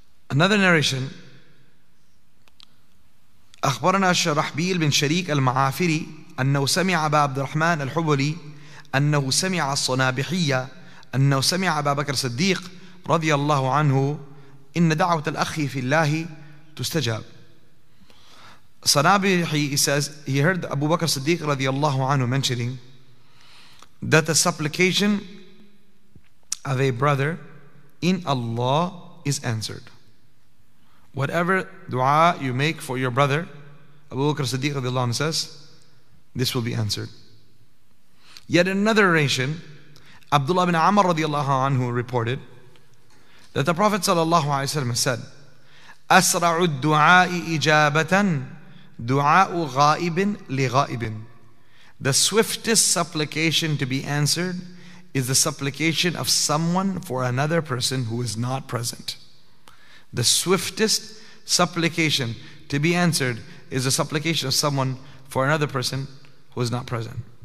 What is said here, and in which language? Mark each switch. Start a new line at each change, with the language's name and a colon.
English: Another narration,
Arabic: أخبرنا الشرحبيل بن شريك المعافري أنه سمع أبا عبد الرحمن الحبلي أنه سمع الصنابحية أنه سمع أبا بكر الصديق رضي الله عنه إن دعوة الأخ في الله تستجاب.
English: صنابحي says he heard Abu Bakr Siddiq رضي الله عنه mentioning that the supplication of a brother in Allah is answered. Whatever dua you make for your brother, Abu Bakr Siddiq رضي الله عنه says, this will be answered. Yet another narration, Abdullah bin Amr رضي الله عنه reported that the Prophet صلى الله عليه وسلم said,
Arabic: أسرع الدعاء إجابة دعاء غائب لغائب.
English: The swiftest supplication to be answered is the supplication of someone for another person who is not present. The swiftest supplication to be answered is the supplication of someone for another person who is not present.